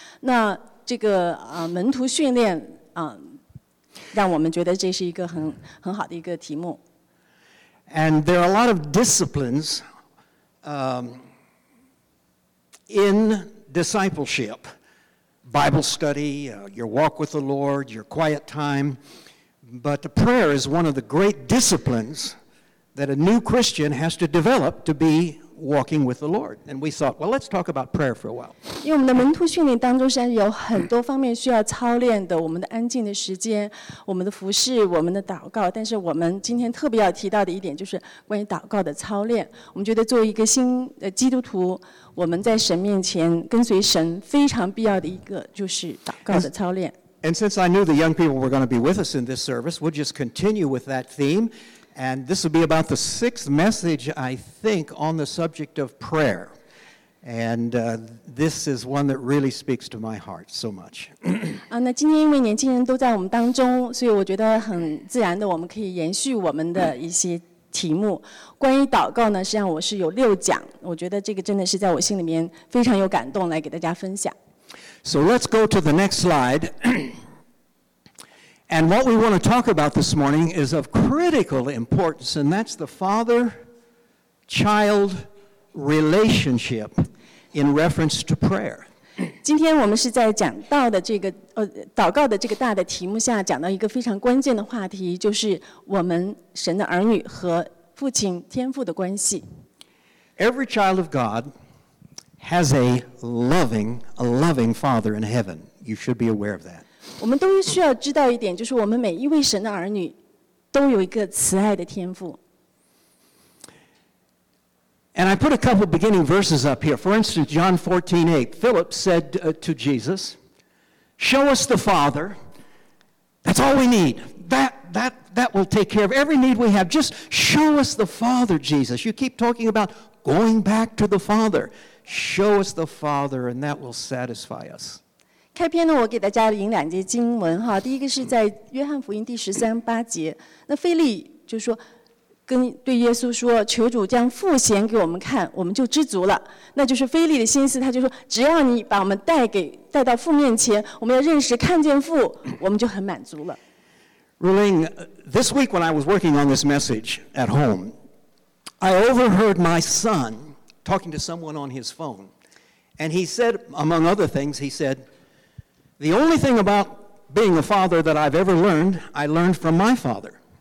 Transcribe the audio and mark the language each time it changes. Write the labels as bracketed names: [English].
[Chinese] 那这个门徒训练让我们觉得这是一个很好的一个题目。 [English] And there are a lot of disciplines in discipleship. Bible study, your walk with the Lord, your quiet time. But the prayer is one of the great disciplines that a new Christian has to develop to be walking with the Lord. And we thought, well, let's talk about prayer for a while. [Chinese] 因为我们的门徒训练当中实际上有很多方面需要操练的，我们的安静的时间，我们的服事，我们的祷告。但是我们今天特别要提到的一点就是关于祷告的操练。我们觉得作为一个新基督徒，我们在神面前跟随神非常必要的一个就是祷告的操练。 [English] And since I knew the young people were going to be with us in this service, we'll just continue with that theme. And this will be about the sixth message, I think, on the subject of prayer. And this is one that really speaks to my heart so much. [Chinese] 那今天因为年轻人都在我们当中，所以我觉得很自然的，我们可以延续我们的一些题目。关于祷告呢，实际上我是有六讲，我觉得这个真的是在我心里面非常有感动，来给大家分享。 [English] So let's go to the next slide. And what we want to talk about this morning is of critical importance, and that's the father-child relationship in reference to prayer. [Chinese] 今天我们是在讲到的这个祷告的这个大的题目下讲到一个非常关键的话题，就是我们神的儿女和父亲天父的关系。 [English] Every child of God has a loving father in heaven. You should be aware of that. [Chinese] 我们都需要知道一点，就是我们每一位神的儿女都有一个慈爱的天父。 [English] And I put a couple beginning verses up here. For instance, John 14:8, Philip said to Jesus, "Show us the Father. That's all we need. That will take care of every need we have. Just show us the Father, Jesus. You keep talking about going back to the Father." Show us the Father, and that will satisfy us. [Chinese] 开篇呢，我给大家引两节经文哈。第一个是在约翰福音第十三八节，那腓力就说，跟对耶稣说，求主将父显给我们看，我们就知足了。那就是腓力的心思，他就说，只要你把我们带到父面前，我们要认识看见父，我们就很满足了。 [English] Ruling, this week when I was working on this message at home, I overheard my son. Talking to someone on his phone. And he said, among other things, he said, the only thing about being a father that I've ever learned, I learned from my father.